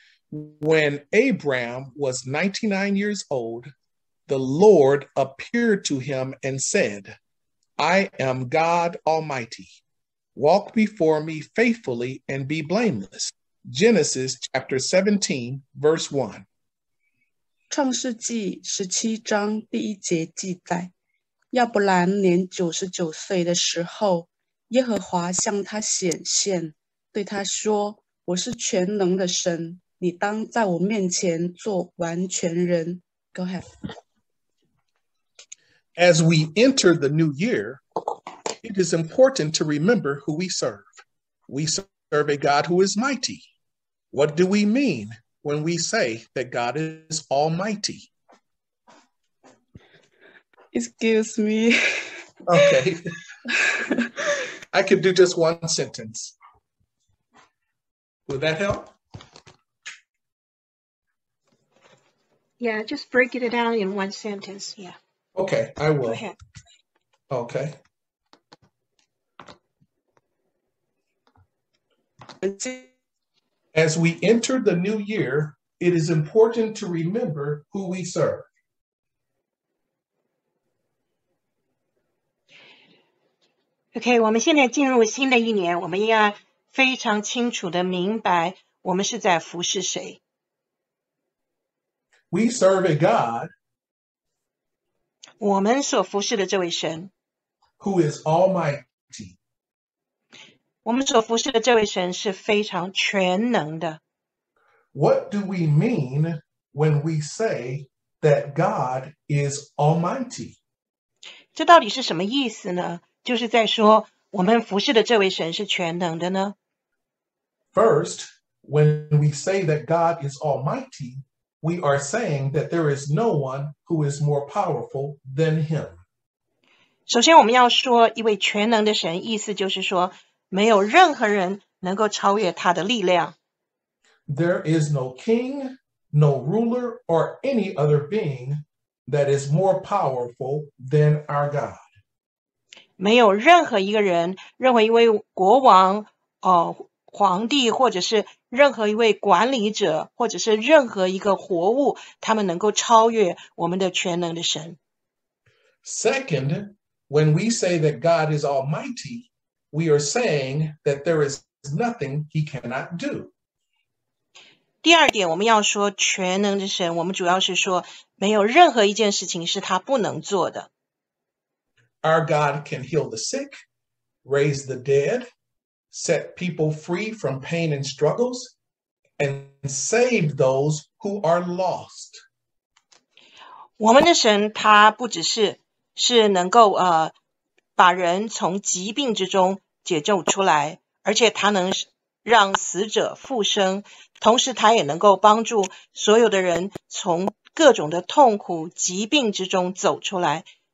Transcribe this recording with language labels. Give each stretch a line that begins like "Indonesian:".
English: When Abraham was 99 years old, the Lord appeared to him and said, I am God Almighty. Walk before me faithfully and be blameless. Genesis chapter 17, verse 1.
Chinese: 创世纪十七章第一节记载，亚伯兰年99岁的时候，耶和华向他显现，对他说，我是全能的神，你当在我面前做完全人。
English: Go ahead. As we enter the new year, it is important to remember who we serve. We serve a God who is mighty. What do we mean when we say that God is almighty? Excuse me. Okay. I could do just one sentence. Would that help? Yeah, just break it down in one sentence. Yeah. Okay, I will. Go ahead. Okay. As we enter the new year, it is important to remember who we serve.
Chinese: Okay, 我们现在进入新的一年，我们要非常清楚地明白我们是在服侍谁。
English: We serve a God.
Chinese: 我们所服侍的这位神。
English: Who is almighty.
Chinese: 我们所服侍的这位神是非常全能的。
English: What do we mean when we say that God is almighty?
Chinese: 这到底是什么意思呢？就是在说我们服侍的这位神是全能的呢？
English: First, when we say that God is almighty, we are saying that there is no one who is more powerful than him.
Chinese: 首先我们要说一位全能的神，意思就是说没有任何人能够超越他的力量。
English: There is no king, no ruler, or any other being that is more powerful than our God.
Chinese: 没有任何一个人，任何一位国王、皇帝，或者是任何一位管理者，或者是任何一个活物，他们能够超越我们的全能的神。
English: Second, when we say that God is almighty, we are saying that there is nothing he cannot do.
Chinese: 第二点，我们要说全能的神，我们主要是说没有任何一件事情是他不能做的。
English: Our God can heal the sick, raise the dead, set people free from pain and struggles, and save those who are lost.
Chinese: 我们的神他不只是能够把人从疾病之中解救出来，而且他能让死者复生，同时他也能够帮助所有的人从各种的痛苦、疾病之中走出来。